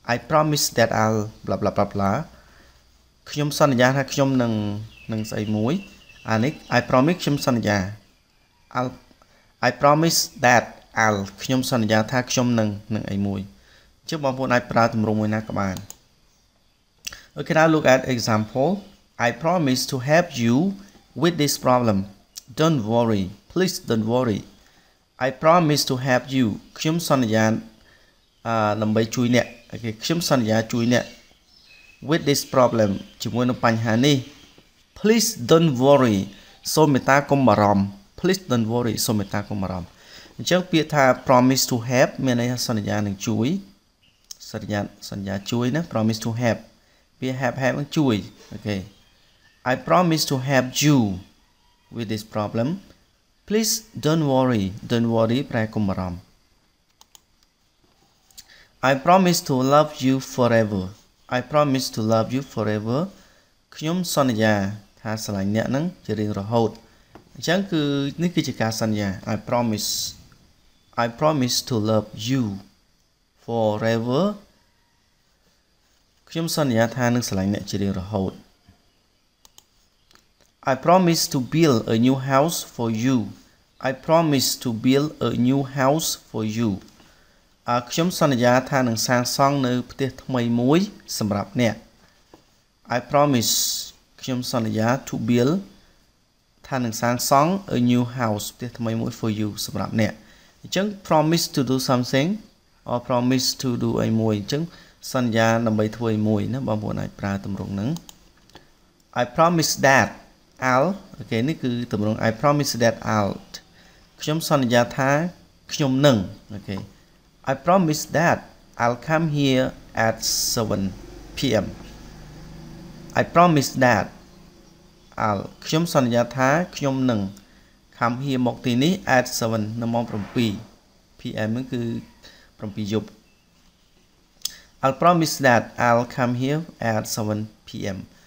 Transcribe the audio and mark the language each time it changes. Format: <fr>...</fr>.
<en>promise that I'll blah blah</en> <km>blah blah ខ្ញុំ សន្យា ថា ខ្ញុំ នឹង ស្អី មួយ អា នេះ</km> <en>I promise</en> <km>ខ្ញុំ សន្យា</km> <en>I promise that I'll</en> <km>ខ្ញុំ សន្យា ថា ខ្ញុំ នឹង អី មួយ ជិះ បងប្អូន អាច ប្រើ ទម្រង់ មួយ ណា ក៏ បាន</km> <en>Okay, now look at example. I promise to help you with this problem. Don't worry. Please don't worry. I promise to help you.</en> <km>ខ្ញុំ សន្យា ដើម្បី ជួយ អ្នក</km> <en>Okay,</en> <km>ខ្ញុំ សន្យា ជួយ អ្នក</km> <en>with this problem</en> <km>ជាមួយ នឹង បញ្ហា នេះ</km> <en>Please don't worry.</en> <km>សូម មេត្តា កុំ បារម្ភ.</km> <en>Please don't worry.</en> <km>សូម មេត្តា កុំ បារម្ភ. អញ្ចឹង ពាក្យ ថា</km> <en>promise to help</en> <km>មាន ន័យ ថា សន្យា នឹង ជួយ. សន្យា សន្យា ជួយ ណា</km> <en>promise to help.</en> <km>ពាក្យ help help នឹង ជួយ.</km> <en>Okay. I promise to help you with this problem. Please don't worry. Don't worry</en> <km>ប្រែ កុំ បារម្ភ.</km> <en>I promise to love you forever. I promise to love you forever.</en> <km>ខ្ញុំ សន្យា ថា ស្រឡាញ់ អ្នក នឹង ជា រៀង រហូត. អញ្ចឹង គឺ នេះ គឺ ជា ការ សន្យា.</km> <en>I promise to love you forever.</en> <km>ខ្ញុំ សន្យា ថា នឹង ស្រឡាញ់ អ្នក ជា រៀង រហូត.</km> <en>I promise to build a new house for you. I promise to build a new house for you.</en> <km>ខ្ញុំ សន្យា ថា នឹង សាង សង់ នៅ ផ្ទះ ថ្មី មួយ សម្រាប់ អ្នក.</km> <en>I promise</en> <km>ខ្ញុំ សន្យា</km> <en>to build</en> <km>ថា នឹង សាង សង់</km> <en>a new house</en> <km>ផ្ទះ ថ្មី មួយ</km> <en>for you</en> <km>សម្រាប់ អ្នក. អញ្ចឹង</km> <en>promise to do something or promise to do</en> <km>អី មួយ អញ្ចឹង សន្យា ដើម្បី ធ្វើ អី មួយ ណា បងប្អូន អាច ប្រើ ទម្រង់ ហ្នឹង.</km> <en>I promise that I'll okay</en> <km>នេះ គឺ ទម្រង់</km> <en>I promise that I'll</en> <km>ខ្ញុំ សន្យា ថា ខ្ញុំ នឹង</km> <en>okay I promise that I'll come here at 7 p.m. I promise that I'll</en> <km>ខ្ញុំ សន្យា ថា ខ្ញុំ នឹង</km> <en>come here</en> <km>មក ទី នេះ</km> <en>at 7 ម៉ោង 7 p.m.</en> <km>ហ្នឹង គឺ 7 យប់.</km> <en>I'll promise that I'll come here at 7 p.m.</en>